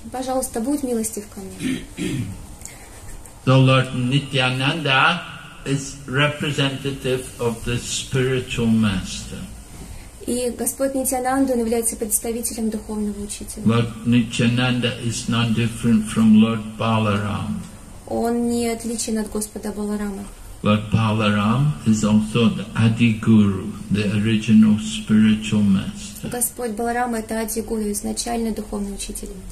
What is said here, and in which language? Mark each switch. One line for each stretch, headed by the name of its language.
Russian: Пожалуйста, будь милостив ко мне.
English: So Lord Nityananda is representative of the spiritual master.
Russian: И Господь Нитьянанда, он является представителем духовного учителя.
English: Lord Nityananda is not different from Lord Balaram.
Russian: Он не отличен от Господа Баларама.
English: Lord Balaram is also the Adiguru, the original spiritual master.
Russian: Господь Баларама — это Адигуру, изначальный духовный учитель.